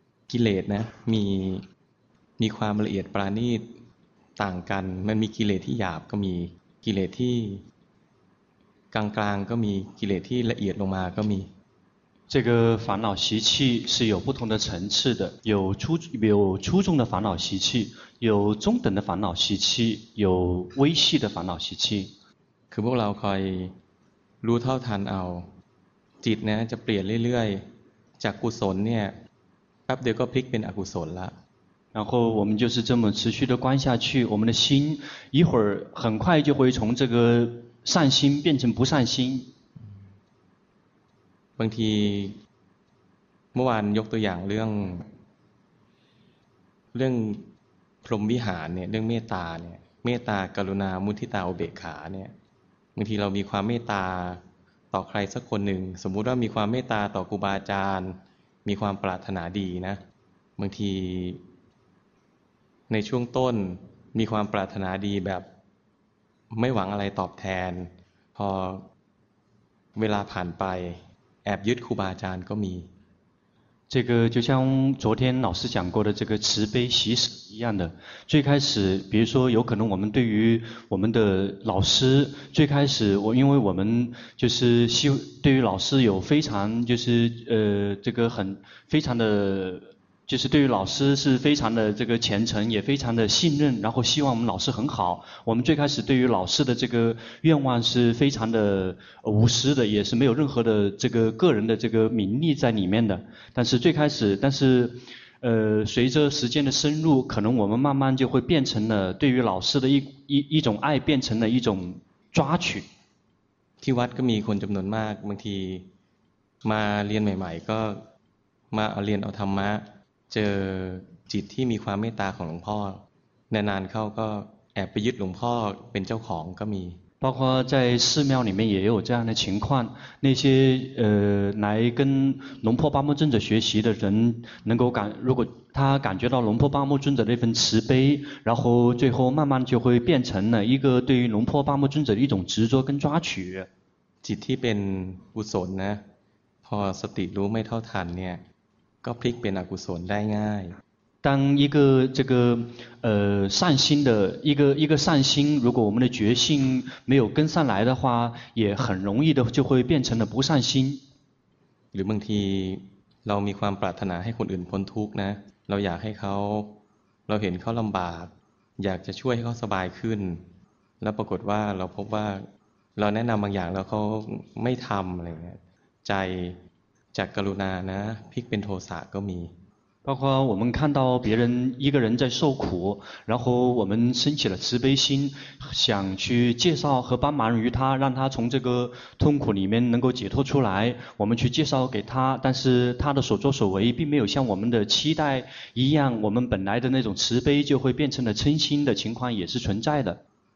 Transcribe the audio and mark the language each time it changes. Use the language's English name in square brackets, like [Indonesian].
[Thai] กิเลสนะมีความละเอียดปราณีตต่างกันมันมีกิเลสที่หยาบก็มีกิเลสที่กลางกลางก็มีกิเลสที่ละเอียดลงมาก็มี [Chinese] 这个烦恼习气是有不同的层次的，有初中的烦恼习气，有中等的烦恼习气，有微细的烦恼习气。 [Thai] คือพวกเราคอยรู้เท่าทันเอาจิตนะจะเปลี่ยนเรื่อยๆจากกุศลเนี่ยแป๊บเดียวก็พลิกเป็นอกุศลละ [Chinese] 然后我们就是这么持续的观下去，我们的心一会儿很快就会从这个善心变成不善心。 [Thai] บางทีเมื่อวานยกตัวอย่างเรื่องพรหมวิหารเนี่ยเรื่องเมตตาเนี่ยเมตตากรุณามุทิตาอุเบกขาเนี่ยบางทีเรามีความเมตตาต่อใครสักคนหนึ่งสมมุติว่ามีความเมตตาต่อครูบาอาจารย์มีความปรารถนาดีนะบางที ในช่วงต้นมีความปรารถนาดีแบบไม่หวังอะไรตอบแทนพอเวลาผ่านไปแอบยึดครูบาอาจารย์ก็มี [Chinese] 这个就像昨天老师讲过的这个慈悲喜舍一样的最开始比如说有可能我们对于我们的老师最开始我因为我们就是对于老师有非常就是这个很非常的就是对于老师是非常的这个虔诚也非常的信任然后希望我们老师很好我们最开始对于老师的这个愿望是非常的无私的也是没有任何的这个个人的这个名利在里面的但是最开始但是随着时间的深入可能我们慢慢就会变成了对于老师的一种爱变成了一种抓取 [Thai] ที่วัดก็มีคนจำนวนมากบางทีมาเรียนใหม่ๆก็มาเรียนเอาธรรมะเจอจิตที่มีความเมตตาของหลวงพ่อนานๆเข้าก็แอบไปยึดหลวงพ่อเป็นเจ้าของก็มี [Chinese] 包括在寺庙里面也有这样的情况那些来跟龙婆巴木尊者学习的人能够感如果他感觉到龙婆巴木尊者那份慈悲然后最后慢慢就会变成了一个对于龙婆巴木尊者的一种执着跟抓取 [Thai] จิตที่เป็นกุศลนะพอสติรู้ไม่เท่าทันเนี่ยก็พลิกเป็นอกุศลได้ง่าย [Chinese] 当一个这个善心的一个善心如果我们的觉性没有跟上来的话也很容易的就会变成了不善心 [Thai] หรือบางทีเรามีความปรารถนาให้คนอื่นพ้นทุกข์นะเราอยากให้เขาเราเห็นเขาลำบากอยากจะช่วยให้เขาสบายขึ้นแล้วปรากฏว่าเราพบว่าเราแนะนำบางอย่างแล้วเขาไม่ทำอะไรเงี้ยใจจากกรุณานะพลิกเป็นโทสะก็มี [Chinese] 包括我们看到别人一个人在受苦然后我们升起了慈悲心想去介绍和帮忙于他让他从这个痛苦里面能够解脱出来我们去介绍给他但是他的所作所为并没有像我们的期待一样我们本来的那种慈悲就会变成了嗔心的情况也是存在的